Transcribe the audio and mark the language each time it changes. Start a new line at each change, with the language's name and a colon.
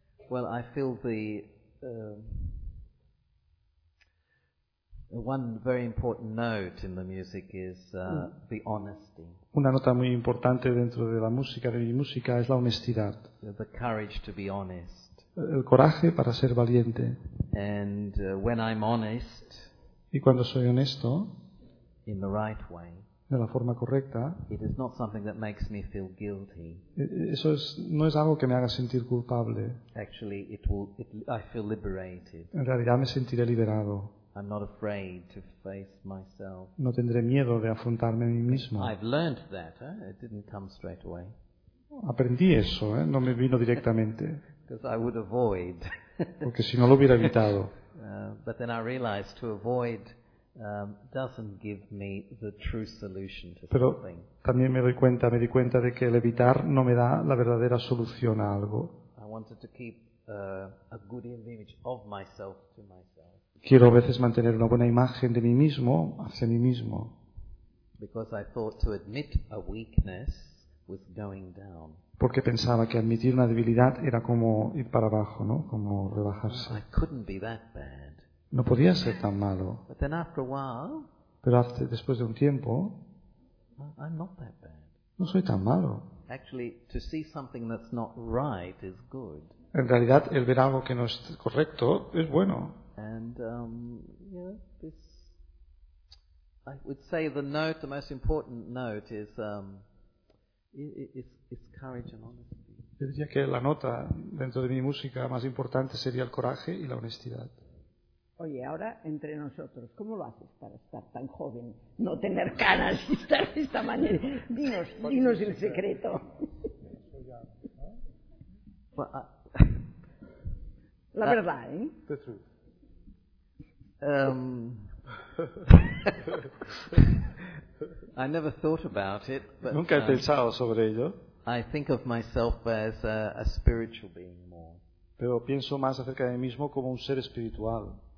English: Well, I feel the one very important note in the music is the honesty.
Spanish: Una nota muy importante dentro de la música, de mi música, es la honestidad.
English: The courage to be honest.
Spanish: El coraje para ser valiente.
English: And when I'm honest.
Spanish: Y cuando soy honesto,
English: in the right way,
Spanish: de la forma correcta,
English: it is not something that makes me feel guilty.
Spanish: Eso es, no es algo que me haga sentir culpable.
English: Actually, I feel liberated.
Spanish: En realidad me sentiré liberado.
English: I'm not afraid to face myself.
Spanish: No tendré miedo de afrontarme a mí mismo.
English: I've learned that, it didn't come straight away.
Spanish: Aprendí eso, no me vino directamente.
English: Because I would avoid.
Spanish: Porque si no lo hubiera evitado.
English: But then I realized to avoid doesn't give me the true solution to
Spanish: Pero
English: something.
Spanish: También me di cuenta de que el evitar no me da la verdadera solución a algo.
English: I wanted to keep a good image of myself to myself.
Spanish: Quiero a veces mantener una buena imagen de mí mismo hacia mí mismo.
English: Because I thought to admit a weakness was going down.
Spanish: Porque pensaba que admitir una debilidad era como ir para abajo, ¿no? Como rebajarse.
English: I couldn't be that bad.
Spanish: No podía ser tan malo.
English: But then after a while,
Spanish: pero después de un tiempo,
English: I'm not that bad.
Spanish: No soy tan malo.
English: Actually, to see something that's not right is good.
Spanish: En realidad, el ver algo que no es correcto es bueno.
English: And, this, I would say the note, the most important note is, it's courage and honesty.
Spanish: Yo diría que la nota dentro de mi música más importante sería el coraje y la honestidad. Oye, ahora entre nosotros, ¿cómo lo haces para estar tan joven, no tener canas y estar de esta manera? Dinos el secreto. La verdad, ¿eh?
English: The truth. I never thought about it, but
Spanish: nunca he pensado sobre ello.
English: I think of myself as a spiritual being more.
Spanish: Pero pienso más acerca de mí mismo como un ser espiritual.